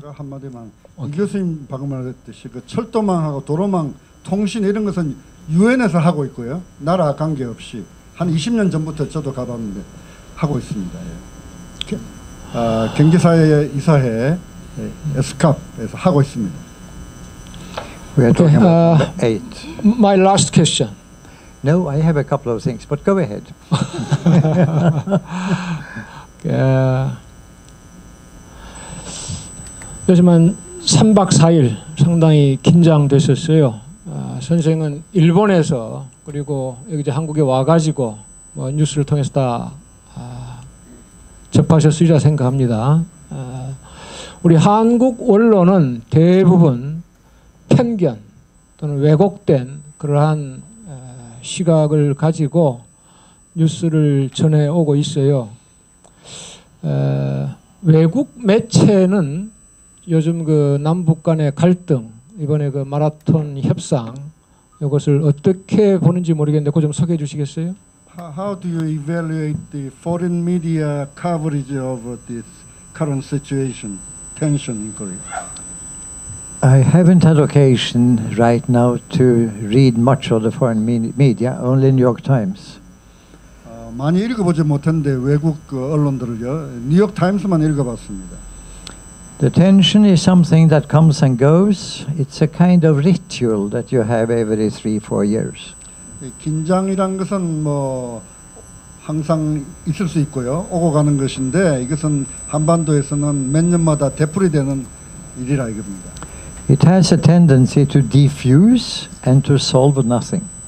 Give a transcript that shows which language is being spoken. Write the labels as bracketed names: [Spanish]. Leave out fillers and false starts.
[Korean] 제가 한마디만 이 교수님 방금 말했듯이 그 철도망하고 도로망 통신 이런 것은 유엔에서 하고 있고요. 나라 관계없이 한 20년 전부터 저도 가봤는데 하고 있습니다. 예. 경제사회 이사회 에스캅에서 하고 있습니다. [English] We are talking about eight. My last question. No, I have a couple of things, but go ahead. Yeah. [Korean] 요즘은 3박 4일 상당히 긴장되셨어요. 선생은 일본에서 그리고 여기 이제 한국에 와가지고 뭐 뉴스를 통해서 다 접하셨으리라 생각합니다. 우리 한국 언론은 대부분 편견 또는 왜곡된 그러한 시각을 가지고 뉴스를 전해오고 있어요. 외국 매체는 요즘 그 남북 간의 갈등, 이번에 그 마라톤 협상 이것을 어떻게 보는지 모르겠는데 그거 좀 소개해 주시겠어요? [English] How do you evaluate the foreign media coverage of this current situation, tension in Korea? I haven't had occasion right now to read much of the foreign media, only New York Times. [Korean] 많이 읽어보지 못했는데 외국 언론들을요, 뉴욕 타임스만 읽어봤습니다. [English] The tension is something that comes and goes. It's a kind of ritual that you have every 3-4 years. [Korean] 긴장이란 것은 뭐 항상 있을 수 있고요. 오고 가는 것인데 이것은 한반도에서는 몇 년마다 되풀이되는 일이라 이겁니다. [English] It has a tendency to diffuse and to solve nothing.